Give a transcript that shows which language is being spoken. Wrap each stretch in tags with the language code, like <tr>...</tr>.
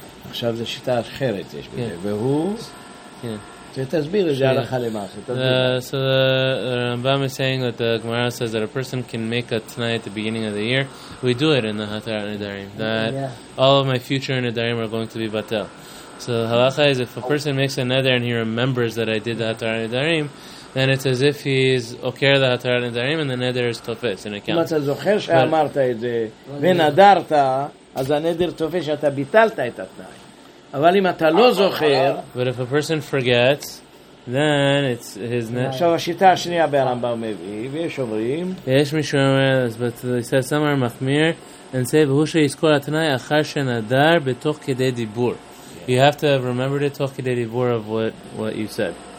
<he>עכשיו זו שיטה אחרת יש בזה, והוא... תסביר את זה הלכה למעשה, תסביר.</he> <en>Rambam is saying that the Gemara says that a person can make a tnai at the beginning of the year. We do it in the Hatara Nedarim, that all of my future Nedarim are going to be batel. So halacha is if a person makes a neder and he remembers that I did the Hatara Nedarim, then it's as if he's okay the Hatara Nedarim and the neder is tofes in account.</en> <he>אתה זוכר שאמרת את זה ונדרת, אז הנדר תופס שאתה ביטלת את התנאי. אבל אם אתה לא זוכר...</he> <en>But if a person forgets, then it's his</en> <he>נדר. עכשיו השיטה השנייה ברמב"ם מביא, ויש אומרים... יש מי שאומר, but he says somewhere מחמיר, and say, והוא שיזכור התנאי אחר שנדר בתוך כדי דיבור.</he> <en>You have to have remembered it תוך כדי דיבור of what you said.</en>